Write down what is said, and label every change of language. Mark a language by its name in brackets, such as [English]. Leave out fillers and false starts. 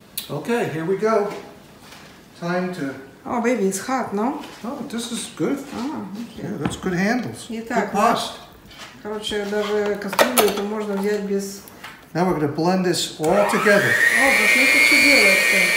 [English] Okay, here we go. Time to... Oh, baby, it's hot, no? Oh, this is good. Oh, okay. Yeah, that's good handles. [Russian] Итак, [English] good pot. [Russian] Короче, даже кастрюлю это можно взять без... [English] Now we're going to blend this all together. [Russian] Oh, посмотрите, что делается.